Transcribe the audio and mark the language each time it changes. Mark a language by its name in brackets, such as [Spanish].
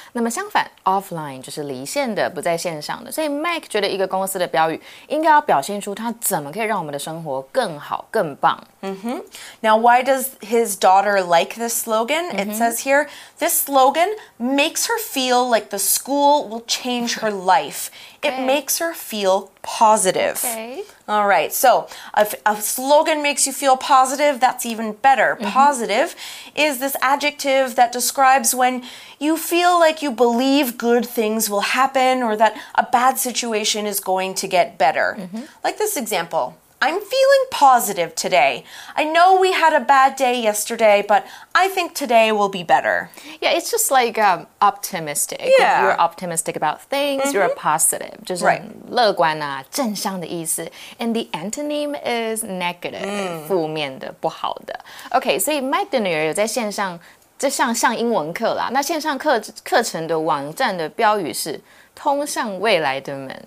[Chinese] 那么相反 ,offline 就是离线的不在线上的。所以 Mike 觉得一个公司的标语应该要表现出它怎么可以让我们的生活更好更棒。 [English] Now, why does his daughter like this slogan? It says here, this slogan makes her feel like the school will change her life. Okay. It makes her feel positive. Okay. All right, so if a slogan makes you feel positive, that's even better. Positive is this adjective that describes when you feel like you believe good things will happen or that a bad situation is going to get better. Like this example, I'm feeling positive today. I know we had a bad day yesterday, but I think today will be better. Yeah, it's just like optimistic. Yeah. You're optimistic about things, you're positive. [Chinese] 就是乐观啊，正向的意思。 [English] And the antonym is negative, [Chinese] 负面的，不好的。 Okay, 所以 Mike 的女儿有在线上，就像英文课啦。那线上课程的网站的标语是通向未来的门。